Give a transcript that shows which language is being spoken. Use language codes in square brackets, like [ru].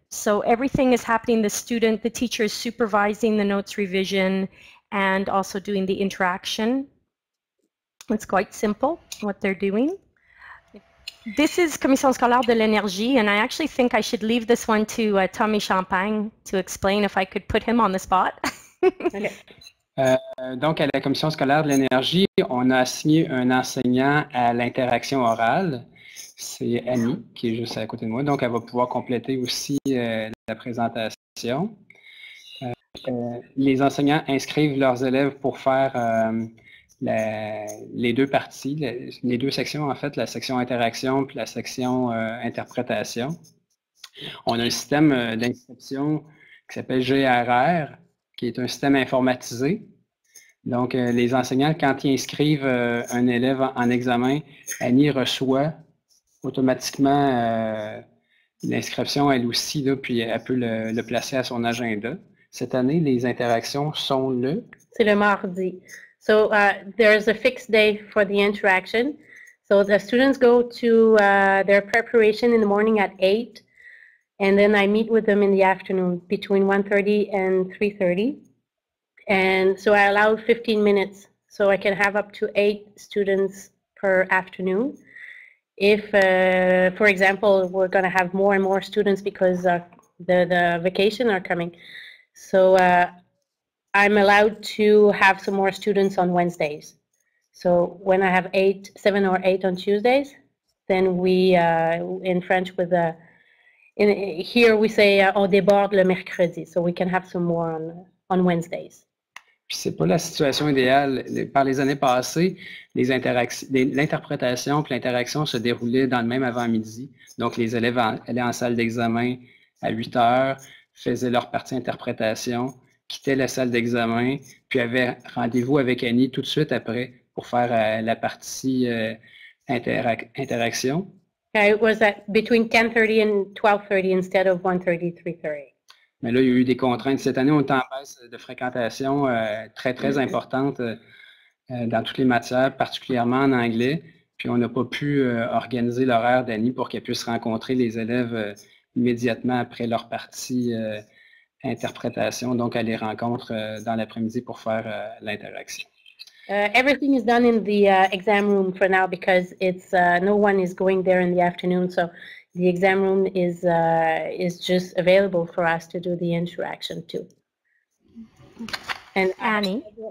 [en] So everything is happening. The student, the teacher is supervising the notes revision and also doing the interaction. It's quite simple what they're doing. This is Commission Scolaire de l'Énergie, and I actually think I should leave this one to Tommy Champagne to explain if I could put him on the spot. [fr] Donc, à la Commission Scolaire de l'Énergie, on a assigné un enseignant à l'interaction orale. C'est Annie qui est juste à côté de moi, donc elle va pouvoir compléter aussi la présentation. Les enseignants inscrivent leurs élèves pour faire les deux parties, les deux sections en fait, la section interaction puis la section interprétation. On a un système d'inscription qui s'appelle GRR, qui est un système informatisé. Donc, les enseignants, quand ils inscrivent un élève en examen, Annie reçoit automatiquement l'inscription, elle aussi, là, puis elle peut le placer à son agenda. Cette année, les interactions sont le... C'est le mardi. [en] So, there is a fixed day for the interaction. So, the students go to their preparation in the morning at 8, and then I meet with them in the afternoon between 1:30 and 3:30. And so, I allow 15 minutes, so I can have up to 8 students per afternoon. If, for example, we're going to have more and more students because the vacation are coming. So I'm allowed to have some more students on Wednesdays. So when I have seven or eight on Tuesdays, then we, in French, here we say, [fr] on déborde le mercredi. [en] So we can have some more on Wednesdays. [fr] C'est pas la situation idéale. Par les années passées, l'interprétation et l'interaction se déroulaient dans le même avant-midi. Donc, les élèves allaient en salle d'examen à 8 heures, faisaient leur partie interprétation, quittaient la salle d'examen, puis avaient rendez-vous avec Annie tout de suite après pour faire la partie interaction. [en] Okay, it was at between 10:30 and 12:30 instead of 1:30, 3:30. [fr] Mais là, il y a eu des contraintes. Cette année, on est en baisse de fréquentation très, très importante dans toutes les matières, particulièrement en anglais. Puis on n'a pas pu organiser l'horaire d'Annie pour qu'elle puisse rencontrer les élèves immédiatement après leur partie interprétation. Donc, elle les rencontre dans l'après-midi pour faire l'interaction. [en] Everything is done in the exam room for now because it's no one is going there in the afternoon. So the exam room is just available for us to do the interaction too. And Annie?